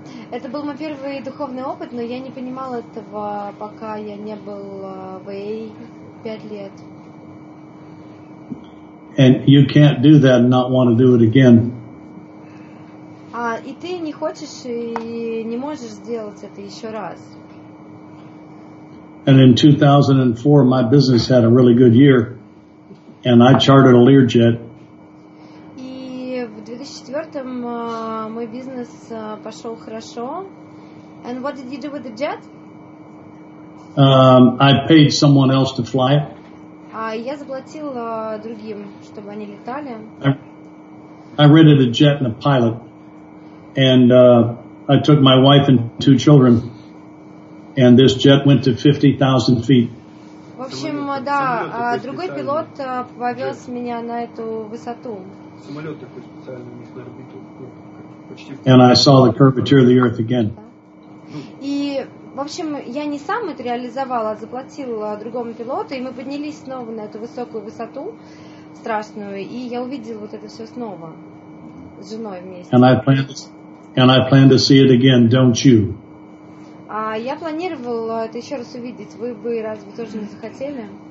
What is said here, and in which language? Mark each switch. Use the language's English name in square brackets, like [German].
[Russian] Это был мой первый духовный опыт, но я не понимал этого, пока я не был в AA 5 лет. [English] And you can't do that and not want to do it again. [Russian] И ты не хочешь и не можешь сделать это еще раз. [English] And in 2004, my business had a really good year, and I chartered a Learjet. [Russian] И в 2004 мой бизнес пошел хорошо. [English] And what did you do with the jet? I paid someone else to fly it. [Russian] Я заплатил другим, чтобы они летали. [English] I rented a jet and a pilot, and I took my wife and two children, and this jet went to 50,000 feet. [Russian] В общем, да, другой пилот повез меня на эту высоту. [English] And I saw the curvature of the earth again. [Russian] И, в общем, я не сам это реализовал, а заплатил другому пилоту, и мы поднялись снова на эту высокую высоту страшную, и я увидел вот это все снова. [English] And I plan to see it again, don't you? [Russian] Я планировал это еще раз увидеть. Вы бы разве тоже не захотели?